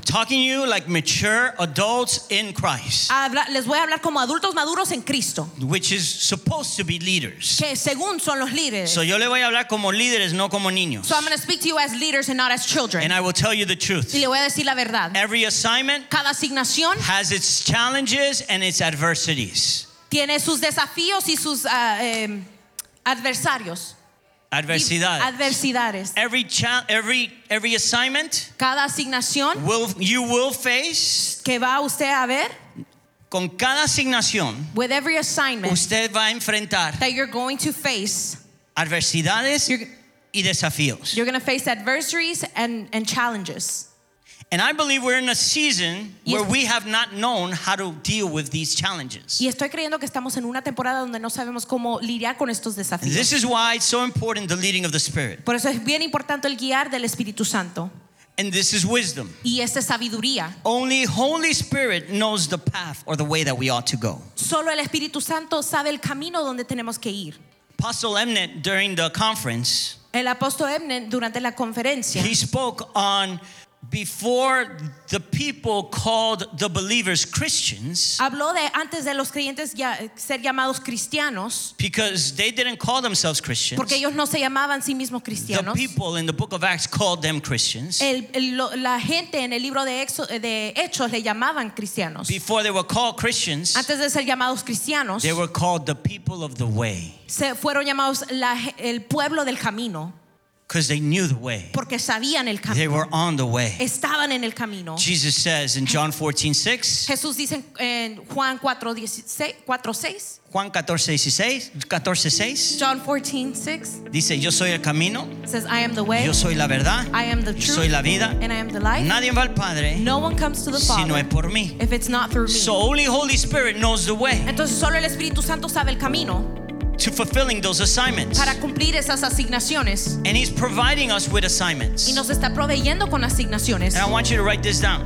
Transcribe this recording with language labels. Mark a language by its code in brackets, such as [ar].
[en] Talking to you like mature adults in Christ. [es] Les voy a hablar como adultos maduros en Cristo. [en] Which is supposed to be leaders. [es] Que según son los líderes. So yo le voy a hablar como líderes, no como niños. [en] So I'm going to speak to you as leaders and not as children. And I will tell you the truth. [es] Y le voy a decir la verdad. [en] Every assignment. [es] Cada asignación. [en] Has its challenges and its adversities. [es] Tiene sus desafíos y sus adversarios. [en] Adversidades. Every assignment. [es] Cada asignación. [en] You will face. [es] Que va usted a ver. Con cada asignación. [en] With every assignment. [es] Usted va a enfrentar. [en] That you're going to face. [es] Adversidades. Y desafíos. [en] You're going to face adversaries and challenges. And I believe we're in a season where we have not known how to deal with these challenges. [es] Y estoy creyendo que estamos en una temporada donde no sabemos cómo lidiar con estos desafíos. [en] And this is why it's so important the leading of the Spirit. [es] Por eso es bien importante el guiar del Espíritu Santo. [en] And this is wisdom. [es] Y esta es sabiduría. [en] Only Holy Spirit knows the path or the way that we ought to go. [es] Solo el Espíritu Santo sabe el camino donde tenemos que ir. [en] Apostle Emnet during the conference. [es] El apóstol Emnet durante la conferencia. [en] He spoke on before the people called the believers Christians. [es] Habló de antes de los creyentes ya ser llamados cristianos. [en] Because they didn't call themselves Christians. [es] Porque ellos no se llamaban sí mismos cristianos. [en] The people in the book of Acts called them Christians. [es] La gente en el libro de Hechos le llamaban cristianos. [en] Before they were called Christians. [es] Antes de ser llamados cristianos. [en] They were called the people of the way. [es] Se fueron llamados el pueblo del camino. [en] Because they knew the way. [es] Porque sabían el camino. [en] They were on the way. [es] Estaban en el camino. [en] Jesus says in John 14:6. [es] Jesús dice en Juan 4:16. Juan 14:16. [en] John 14:6. [es] Dice, yo soy el camino. [en] Says, I am the way. [es] Yo soy la verdad. [en] I am the truth. [es] Yo soy la vida. [en] And I am the life. [es] Nadie va al Padre. [en] No one comes to the Father. [es] Si no es por mí. [en] If it's not through me. So only Holy Spirit knows the way. [es] Entonces solo el Espíritu Santo sabe el camino. [en] To fulfilling those assignments. [es] Para cumplir esas asignaciones. [en] And he's providing us with assignments. [es] Y nos está proveyendo con asignaciones. [en] And I want you to write this down.